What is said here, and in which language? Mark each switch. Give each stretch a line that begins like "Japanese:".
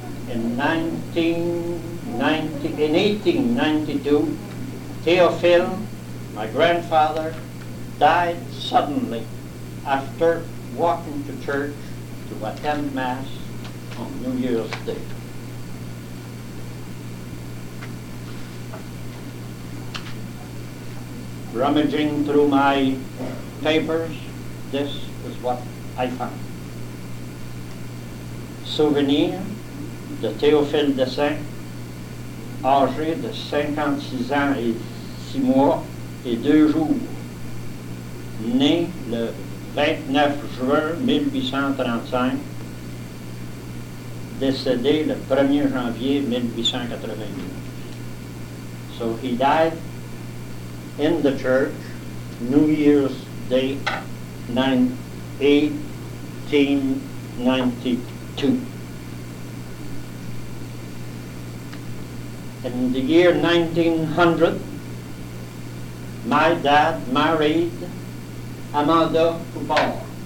English: In 1892, Theophile, my grandfather, died suddenly after walking to church to attend Mass on New Year's Day. Rummaging through my papers, this is what I found.
French: Souvenir de Théophile de Saint, âgé de 56 ans et 6 mois et 2 jours, né le 29 juin 1835, décédé le 1er janvier 1891.
English: So he died in the church New Year's Day 1892. In the year 1900, my dad married Amanda Poupard.